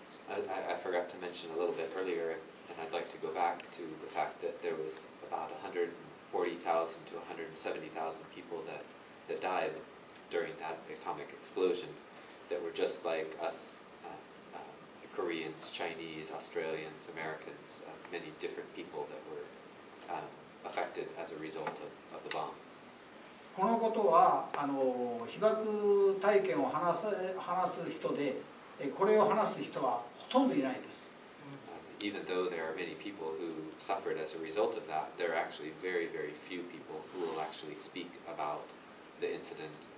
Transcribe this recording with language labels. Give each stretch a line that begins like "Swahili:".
English: I forgot to mention a little bit earlier, and I'd like to go back to the fact that there was about 140,000 to 170,000 people that died during that atomic explosion, that were just like us, Koreans, Chinese, Australians, Americans, many different people that were affected as a result of the bomb.
Japanese: このことは被爆体験を話す人で、これを話す人はほとんどいないです。
English: Even though there are many people who suffered as a result of that, there are actually very, very few people who will actually speak about the incident.